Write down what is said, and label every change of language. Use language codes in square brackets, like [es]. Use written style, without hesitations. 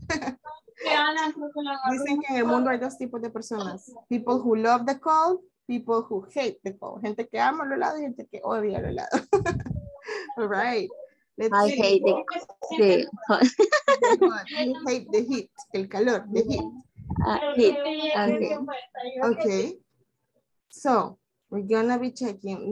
[es] Dicen que en el mundo hay dos tipos de personas. [en] People who love the cold, people who hate the cold. [es] Gente que ama el helado y gente que odia el helado. [en] All right. Let's I see. Hate the cold. The... You hate the heat, [es] el calor, [en] the heat. Heat, okay. Okay. So, we're gonna be checking.